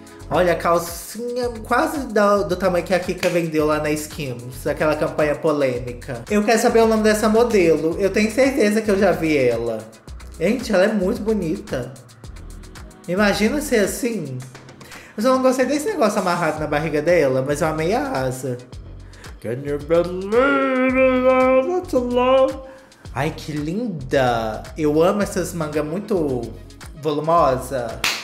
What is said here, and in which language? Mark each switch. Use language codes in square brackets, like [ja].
[pt] Olha, a calcinha quase do tamanho que a Kika vendeu lá na Skims, aquela campanha polêmica. Eu quero saber o nome dessa modelo. Eu tenho certeza que eu já vi ela. Gente, ela é muito bonita. Imagina ser assim. Eu só não gostei desse negócio amarrado na barriga dela, mas eu amei a asa. [en] Can you believe that I'm not alone? [pt] Ai, que linda! Eu amo essas mangas muito volumosas.